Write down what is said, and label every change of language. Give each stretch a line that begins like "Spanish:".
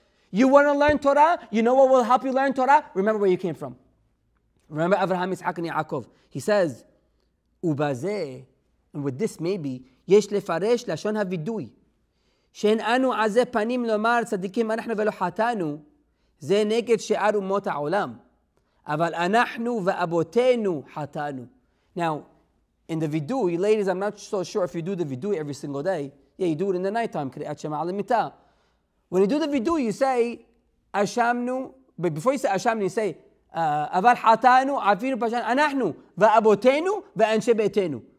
English: You want to learn Torah? You know what will help you learn Torah? Remember where you came from. Remember Abraham, Yitzhak, and Yaakov. He says,
Hebrew: "Ubaze,"
English: and with this maybe,
Hebrew: "Yesh lefaresh lashon havidui." שאין אנו עזי פנים לומר צדיקים אנחנו ולא חטאנו, זה נגד שאר אומות העולם. אבל אנחנו ואבותינו חטאנו.
English: Now, in the vidui, ladies, I'm not so sure if you do the vidui every single day. Yeah, you do it in the night time, קריאת שמע למיטה. When you do the vidui, you say, אשמנו, but before you say אשמנו, you say,
Hebrew: אבל חטאנו, עפינו פשענו, אנחנו ואבותינו ואנשי ביתנו.